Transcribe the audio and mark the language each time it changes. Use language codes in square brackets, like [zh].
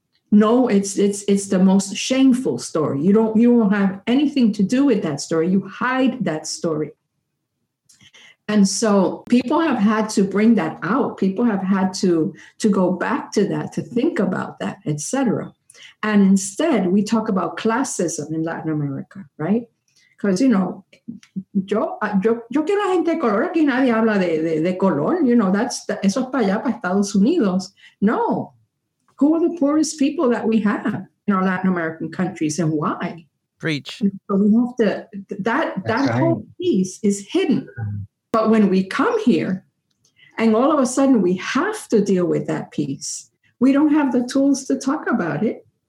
[en] No, it's the most shameful story. You don't have anything to do with that story. You hide that story. And so people have had to bring that out. People have had to go back to that, to think about that, etc. And instead, we talk about classism in Latin America, right? Because, you know, [es] yo quiero gente de color, aquí nadie habla de color. [en] You know, [es] eso es para allá, para Estados Unidos. No. [en] Who are the poorest people that we have in our Latin American countries and why? Preach. So we have to, that whole piece is hidden. But when we come here and all of a sudden we have to deal with that piece, we don't have the tools to talk about it.